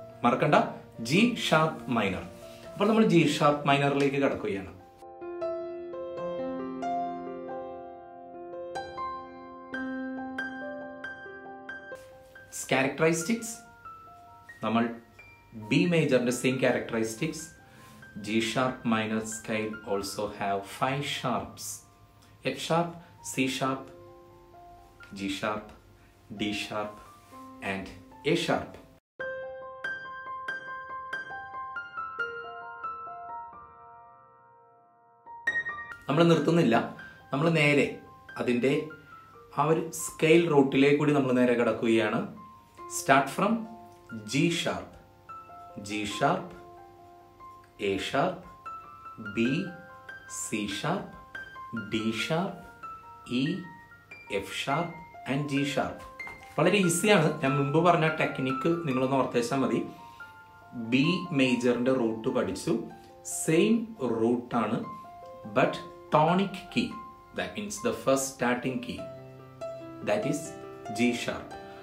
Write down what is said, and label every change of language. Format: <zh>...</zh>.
<ml>മറക്കണ്ട, G sharp minor. അപ്പോൾ നമ്മൾ ജി ഷാർപ്പ് മൈനറിലേക്ക് കടക്കുകയാണ്. ക്യാരക്ടറിസ്റ്റിക്സ്, നമ്മൾ B മേജറിന്റെ same characteristics.</ml> <en>G sharp minor scale also have 5 sharps: F sharp, C sharp, G sharp, D sharp and A sharp.</en> <ml>നമ്മൾ നിർത്തുന്നില്ല, നമ്മൾ നേരെ അതിന്റെ ആ ഒരു സ്കെയിൽ റൂട്ടിലേക്ക് കൂടി നമ്മൾ നേരെ കടക്കുകയാണ്.</ml> <en>Start from G sharp, G sharp, A sharp, B, C sharp, D sharp, E, F sharp and G sharp.</en> <ml>വളരെ ഈസിയാണ്. ഞാൻ മുമ്പ് പറഞ്ഞ ടെക്നിക്ക് നിങ്ങളൊന്ന് ഓർത്തേച്ചാൽ മതി. ബി മേജറിന്റെ റൂട്ട് പഠിച്ചു, സെയിം റൂട്ടാണ്,</ml> <en>But tonic key, that means the first starting key, that is G sharp.</en>